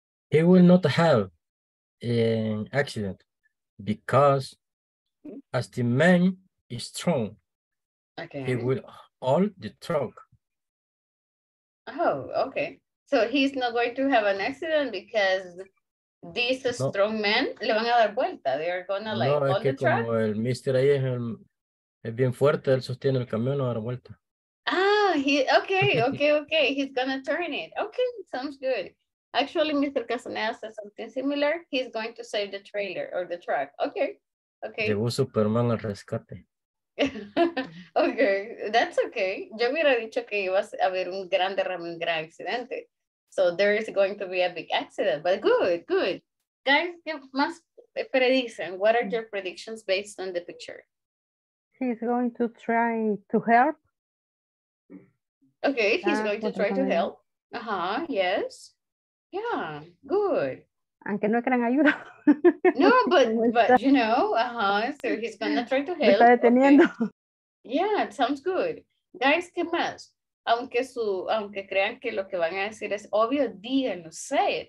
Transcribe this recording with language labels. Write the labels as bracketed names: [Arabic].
[English] He will not have an accident because as the man is strong, okay, he will hold the truck. Oh, okay. So he's not going to have an accident because these strong men [Spanish] le van a dar vuelta. [English] They are going to hold the truck. [Spanish] No, es que como truck? El Mr. ahí es bien fuerte, él sostiene el camión a dar vuelta. [English] Okay. He's gonna turn it. Okay, sounds good. Actually, Mr. Casanella says something similar. He's going to save the trailer or the truck. Okay. [Spanish] Llegó Superman al rescate. [English] Okay, that's okay. [Spanish] Yo hubiera dicho que iba a haber un gran derrame, un gran accidente. [English] So there is going to be a big accident, but good. Guys, [Spanish] ¿qué más predicen? [English] What are your predictions based on the picture? He's going to try to help. Okay, he's going to try to help. Uh-huh, yes. Yeah, good. [Spanish] Aunque no crean ayuda. [English] No, but you know, so he's going to try to help. [Spanish] Está deteniendo. Okay. [English] Yeah, it sounds good. Guys, [Spanish] ¿qué más? Aunque crean que lo que van a decir es obvio, díganlo, [English] say it.